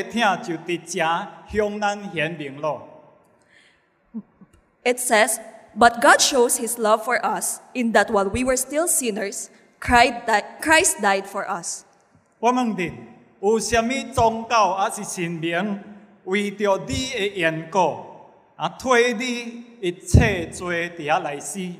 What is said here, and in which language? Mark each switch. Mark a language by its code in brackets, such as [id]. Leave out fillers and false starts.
[nan] 独独有基督在咱也做罪人的时阵，为咱死，上帝的疼就伫遮向咱显明了。 [en] It says, but God shows his love for us in that while we were still sinners, Christ died for us. [nan] 我问你，有什么宗教还是神明为着你的缘故，啊，替你一切罪底下来死？